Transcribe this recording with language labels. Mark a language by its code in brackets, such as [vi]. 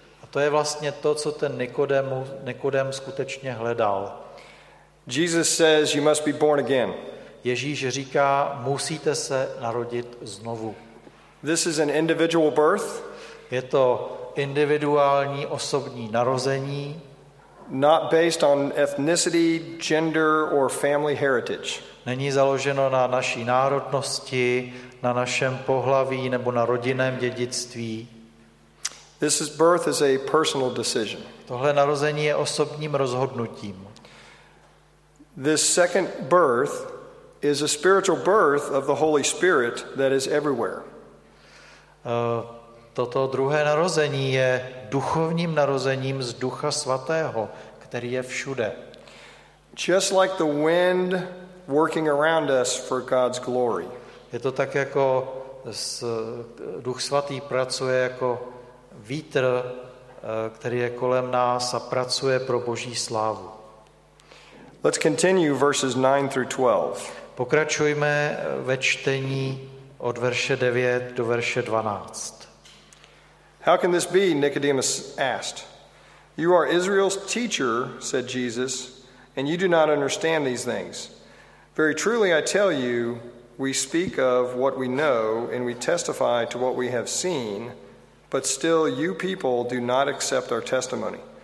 [cs] A to je vlastně to, co ten Nikodém skutečně hledal. [en] Jesus says you must be born again. [cs] Ježíš říká, musíte se narodit znovu. [en] This is an individual birth. [cs] Je to individuální osobní narození. [en] Not based on ethnicity, gender or family heritage. [cs] Není založeno na naší národnosti, na našem pohlaví nebo na rodinném dědictví. [en] This is birth is a personal decision. [cs] Tohle narození je osobním rozhodnutím. [en] This second birth is a spiritual birth of the Holy Spirit that is everywhere. [cs] Toto druhé narození je duchovním narozením z Ducha Svatého, který je všude. [en] Just like the wind working around us for God's glory. [cs] Je to tak, jako Duch Svatý pracuje jako vítr, který je kolem nás a pracuje pro Boží slávu. [en] Let's continue verses 9 through 12. [cs] Pokračujme ve čtení od verše 9 do verše 12. [en] How can this be? Nicodemus asked. You are Israel's teacher, said Jesus, and you do not understand these things. Very truly I tell you, we speak of what we know and we testify to what we have seen, but still you people do not accept our testimony.